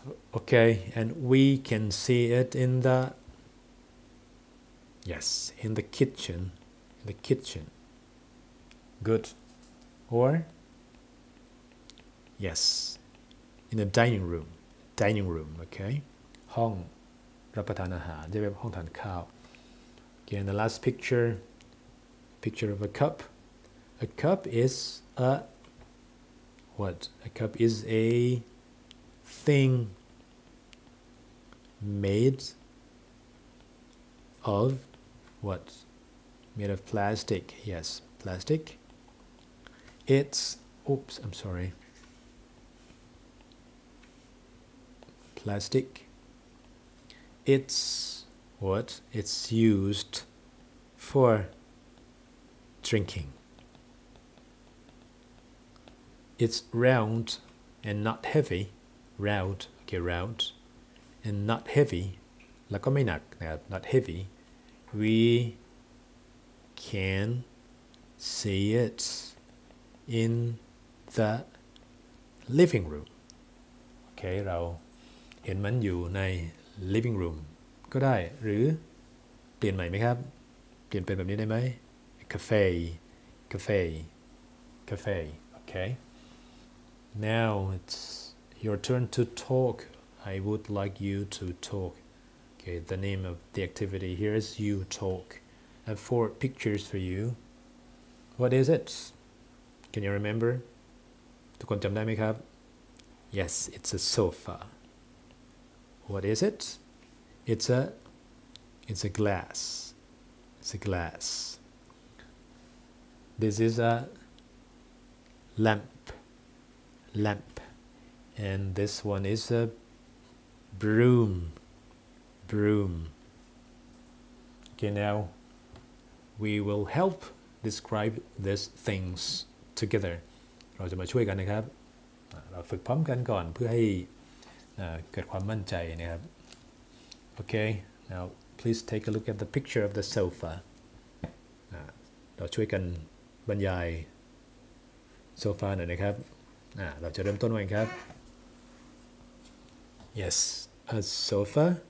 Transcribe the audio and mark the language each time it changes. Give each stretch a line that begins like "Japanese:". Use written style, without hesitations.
English: โอเค and we can see it in the yes in the kitchen good or yes in the dining room okay
Thai: ห้องรับประทานอาหารจะเป็นห้องทานข้าว
English: Again, the last picture of a cup. A cup is a, what? A cup is a thing made of, what? Made of plastic, yes, plastic. Plastic. It's... What it's used for drinking. It's round and not heavy. Round and not heavy.
Thai: แล้วก็ไม่หนักนะครับ
English: not heavy. We can see it in the living room.
Thai: Okay, เราเห็นมันอยู่ใน
English: living room.
Thai: ก็ได้หรือเปลี่ยนใหม่ไหมครับเปลี่ยนเป็นแบบนี้ได้ไหมคาเฟ่โอเค
English: now it's Your turn to talk. I would like you to talk. Okay, the name of the activity here is you talk. I have four pictures for you. What is it? Can you remember?
Thai: ทุกคนจำได้ไหมครับ?
English: Yes, it's a sofa. What is it? It's a glass. It's a glass. This is a lamp. Lamp. And this one is a broom. Broom. Okay, now we will help describe these things together.
Thai: เราจะมาช่วยกันนะครับ เราฝึกพร้อมกันก่อนเพื่อให้เกิดความมั่นใจนะครับ
English: Okay, now please take a look at the picture of the sofa.
Thai: เราช่วยกันบรรยายโซฟาหน่อยนะครับ เราจะเริ่มต้นกันครับ
English: Yes, a sofa.